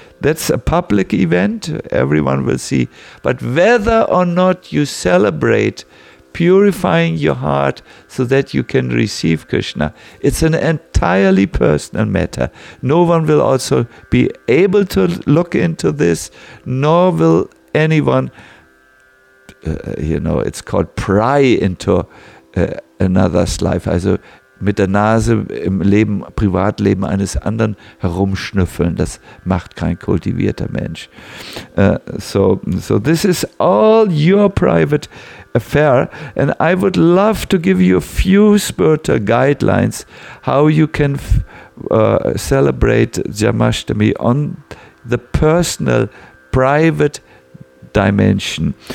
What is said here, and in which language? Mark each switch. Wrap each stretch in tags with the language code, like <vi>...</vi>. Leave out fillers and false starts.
<en>That's a public event. Everyone will see. But whether or not you celebrate purifying your heart so that you can receive Krishna, it's an entirely personal matter. No one will also be able to look into this, nor will anyone, you know, it's called pry into another's life.</en> <de>Also mit der Nase im Leben, Privatleben eines anderen herumschnüffeln, das macht kein kultivierter Mensch.</de> <en>So this is all your private affair, and I would love to give you a few spiritual guidelines how you can celebrate Jamashtami on the personal, private dimension.</en>